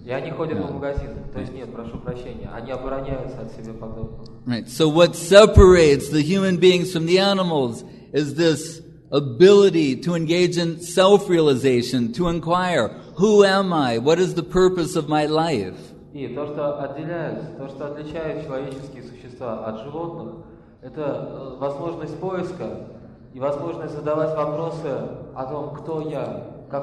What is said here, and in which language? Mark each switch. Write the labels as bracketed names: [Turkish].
[Russian] И они ходят по магазинам. То есть нет, прошу прощения. Они обороняются от себе подобных. [English] Right. So what separates the human beings from the animals is this ability to engage in self-realization, to inquire, who am I? What is the purpose of my life? [Russian] И то, что отделяет, то, что отличает человеческие существа от животных, это возможность поиска и возможность задавать вопросы о том, кто я.